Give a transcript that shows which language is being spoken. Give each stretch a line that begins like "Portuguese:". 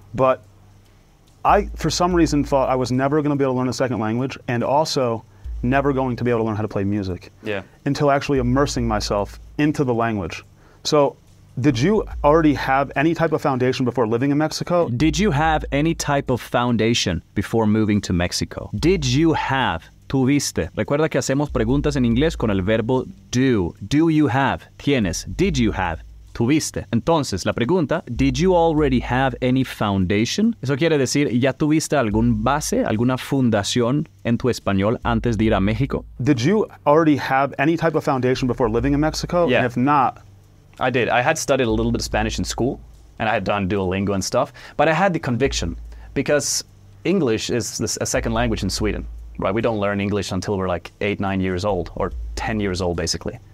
English: But I, for some reason, thought I was never going to be able to learn a second language and also never going to be able to learn how to play music until actually immersing myself into the language. So did you already have any type of foundation before living in Mexico? Did you have any type of foundation before moving to Mexico? Did you have...
Spanish: Tuviste. Recuerda que hacemos preguntas en inglés con el verbo do.
English: Do you have?
Spanish: Tienes.
English: Did you have?
Spanish: Tuviste. Entonces, la pregunta,
English: did you already have any foundation?
Spanish: Eso quiere decir, ¿ya tuviste algún base, alguna fundación en tu español antes de ir a México?
English: Did you already have any type of foundation before living in Mexico? Yeah. And if not... I did. I had studied a little bit of Spanish in school, and I had done Duolingo and stuff, but I had the conviction, because English is a second language in Sweden. Right, we don't learn English until we're like 8, 9 years old, or 10 years old, basically.